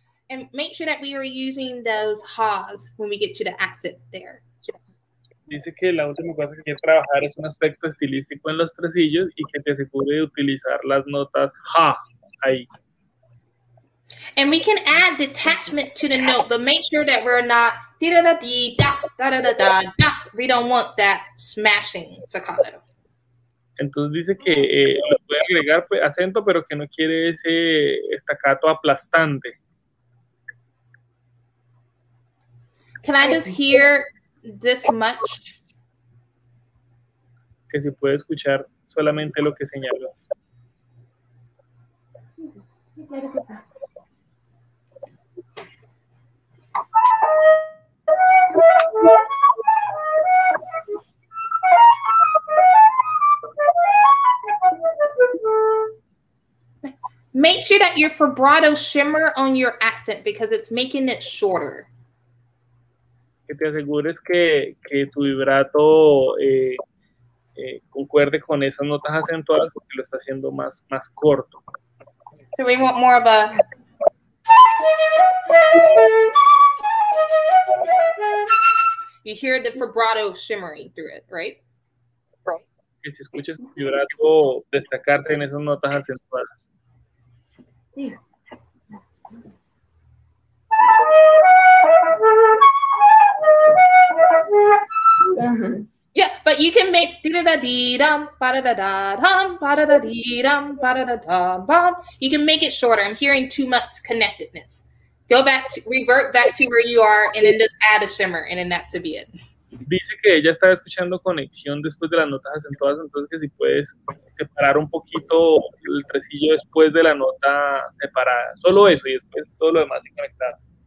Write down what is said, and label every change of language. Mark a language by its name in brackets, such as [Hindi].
[English] And make sure that we are using those ha's when we get to the accent there. [Spanish] Dice que la última cosa que quiere trabajar es un aspecto estilístico en los tresillos y que te asegure de utilizar las notas ha ahí. [English] And we can add detachment to the note, but make sure that we're not da-da-da-da-da-da-da-da. We don't want that smashing staccato. [Spanish] Entonces dice que lo puede agregar pues, acento, pero que no quiere ese staccato aplastante. [English] Can I just hear this much? [Spanish] Que si puede escuchar solamente lo que señaló. [English] Make sure that your vibrato shimmer on your accent because it's making it shorter. Que te asegures que tu vibrato concuerde con esas notas acentuadas porque lo está haciendo más corto. So we want more of a... You hear the vibrato shimmering through it, right? [Spanish] Que si escuchas tu vibrato destacarse en esas notas acentuadas. Sí. [English] Uh-huh. Yeah, but you can make di-da-da-dee-dum, ba-da-da-da-dum, ba-da-da-dee-dum, ba-da-da-dum-bum. You can make it shorter. I'm hearing too much connectedness. Go back, revert back to where you are, and then just add a shimmer, and then that's to be it. [Spanish] Dice que ella estaba escuchando conexión después de las notas acentuadas, entonces que si puedes separar un poquito el tresillo después de la nota separada. Solo eso, y después todo lo demás se conectará.